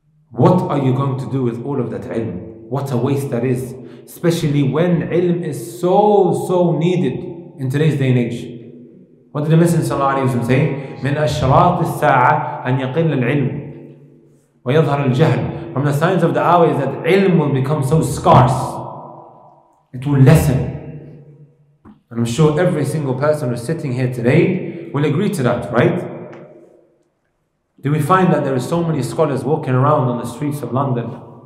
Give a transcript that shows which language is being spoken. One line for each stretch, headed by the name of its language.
English: What are you going to do with all of that ilm? What a waste that is, especially when ilm is so, so needed in today's day and age. What did the Messenger say?
Arabic: مِنْ أَشْرَاطِ السَّاعَةِ أن يقل العلم ويظهر الجهل.
English: From the signs of the hour is that ilm will become so scarce. It will lessen. And I'm sure every single person who's sitting here today will agree to that, right? Do we find that there are so many scholars walking around on the streets of London?